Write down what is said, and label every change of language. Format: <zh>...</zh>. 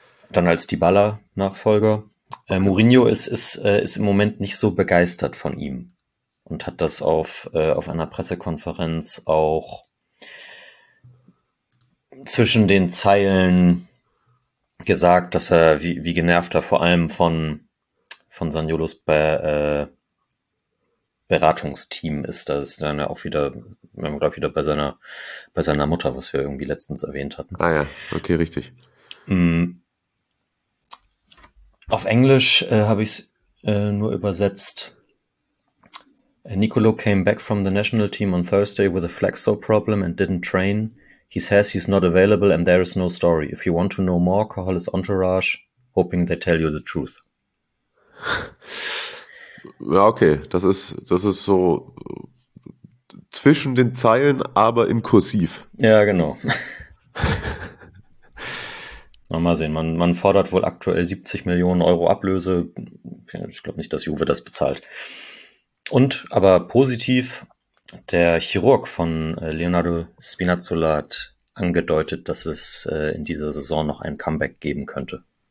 <de>Dann als Dybala-Nachfolger. Mourinho ist im Moment nicht so begeistert von ihm und hat das auf einer Pressekonferenz auch zwischen den Zeilen gesagt, dass er wie genervt er vor allem von Zaniolos Beratungsteam ist. Da ist dann ja auch wieder, wir haben gerade wieder bei seiner Mutter, was wir irgendwie letztens erwähnt hatten. Ah ja, okay, richtig. Auf Englisch habe ich es nur übersetzt.</de> <en>Nicolo came back from the national team on Thursday with a flexor problem and didn't train. He says he's not available and there is no story. If you want to know more, call his entourage, hoping they tell you the truth.</en> <de>Ja, okay. Das ist so zwischen den Zeilen, aber in Kursiv. Ja, genau. Mal sehen, man fordert wohl aktuell 70 Millionen Euro Ablöse. Ich glaube nicht, dass Juve das bezahlt. Und, aber positiv, der Chirurg von Leonardo Spinazzola hat angedeutet, dass es in dieser Saison noch ein Comeback geben könnte.</de>